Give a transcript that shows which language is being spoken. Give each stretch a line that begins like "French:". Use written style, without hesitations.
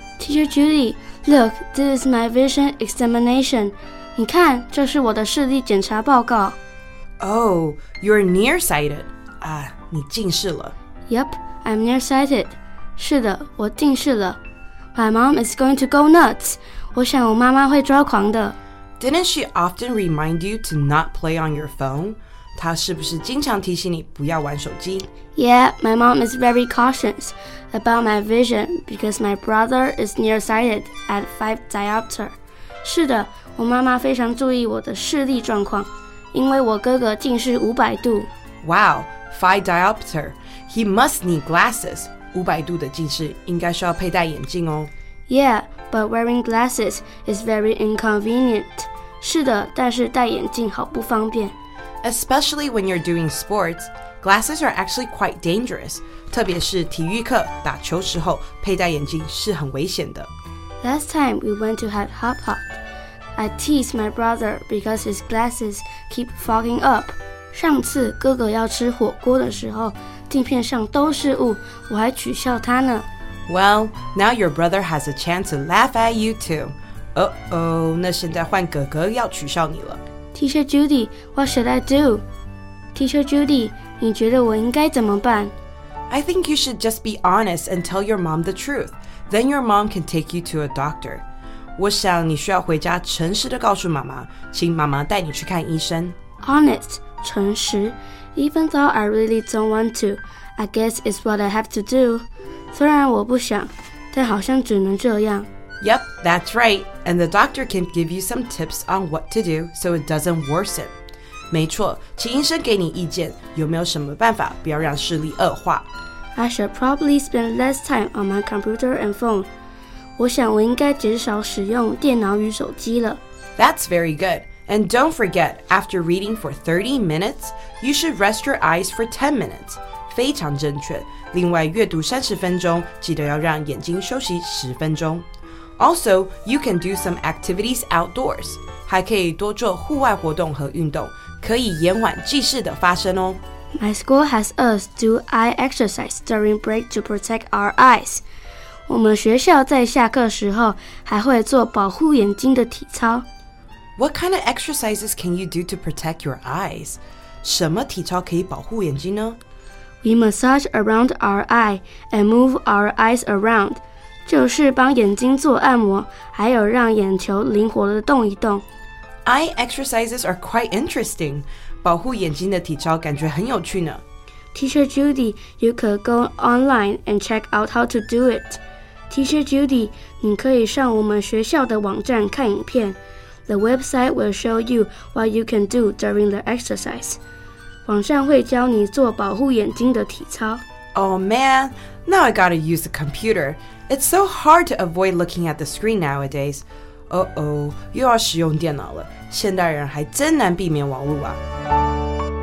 English: Teacher Judy, look, this is my vision examination.
Chinese: 你看，这是我的视力检查报告。
English: Oh, you're nearsighted.
Chinese: 啊，你近视了。
English: Yep, I'm nearsighted.
Chinese: 是的，我近视了。
English: My mom is going to go nuts.
Chinese: 我想我妈妈会抓狂的。
English: Didn't she often remind you to not play on your phone?
Chinese: 她是不是经常提醒你不要玩手机？
English: Yeah, my mom is very cautious about my vision because my brother is nearsighted at 5 diopter.
Chinese: 是的，我妈妈非常注意我的视力状况，因为我哥哥近视500度。
English: Wow, 5 diopter. He must need glasses.
Chinese: 500度的近视应该需要佩戴眼镜哦。
English: Yeah, but wearing glasses is very inconvenient.
Chinese: 是的，但是戴眼镜好不方便。
English: Especially when you're doing sports, glasses are actually quite dangerous.
Chinese: 特别是体育课打球时候佩戴眼镜是很危险的。
English: Last time we went to have hot pot, I teased my brother because his glasses keep fogging up.
Chinese: 上次哥哥要吃火锅的时候镜片上都是雾，我还取笑他呢。
English: Well, now your brother has a chance to laugh at you too.
Chinese: Uh-oh, 那现在换哥哥要取笑你了。 Teacher Judy,
English: what should I do?
Chinese: Teacher Judy, 你觉得我应该怎么办？
English: I think you should just be honest and tell your mom the truth. Then your mom can take you to a doctor.
Chinese: 我想你需要回家诚实地告诉妈妈，请妈妈带你去看医生。
English: Honest, 诚实。 Even though I really don't want to, I guess it's what I have to do.
Chinese: 虽然我不想，但好像只能这样。
English: Yep, that's right. And the doctor can give you some tips on what to do so it doesn't worsen.
Chinese: 没错，请医生给你意见，有没有什么办法不要让视力恶化。
English: I should probably spend less time on my computer and phone.
Chinese: 我想我应该减少使用电脑与手机了。
English: That's very good. And don't forget, after reading for 30 minutes, you should rest your eyes for 10 minutes.
Chinese: 非常正确。另外阅读30分钟，记得要让眼睛休息10分钟。
English: Also, you can do some activities outdoors.
Chinese: 还可以多做户外活动和运动，可以延缓近视的发生哦。
English: My school has us do eye exercise during break to protect our eyes.
Chinese: 我们学校在下课时候还会做保护眼睛的体操。
English: What kind of exercises can you do to protect your eyes?
Chinese: 什么体操可以保护眼睛呢?
English: We massage around our eye and move our eyes around.
Chinese: 就是帮眼睛做按摩，还有让眼球灵活地动一动。
English: Eye exercises are quite interesting.
Chinese: 保护眼睛的体操感觉很有趣呢。
English: Teacher Judy, you could go online and check out how to do it.
Chinese: Teacher Judy, 你可以上我们学校的网站看影片。
English: The website will show you what you can do during the exercise.
Chinese: 网上会教你做保护眼睛的体操。
English: Oh man, now I gotta use the computer. It's so hard to avoid looking at the screen nowadays.
Chinese: Uh-oh, 又要使用电脑了。现代人还真难避免网络啊。